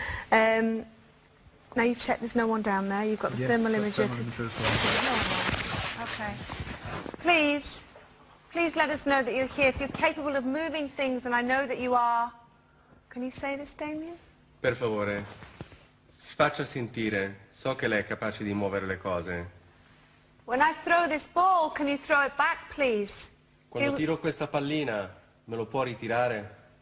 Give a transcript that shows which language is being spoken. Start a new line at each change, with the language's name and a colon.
English: Now you've checked there's no one down there. You've got the thermal imager. Okay. Please. Please let us know that you're here. If you're capable of moving things, and I know that you are. Can you say this, Damien?
Italian: Per favore, faccia sentire. So che lei è capace di muovere le cose.
English: When I throw this ball, can you throw it back, please?
Italian: Quando tiro questa pallina, me lo può ritirare?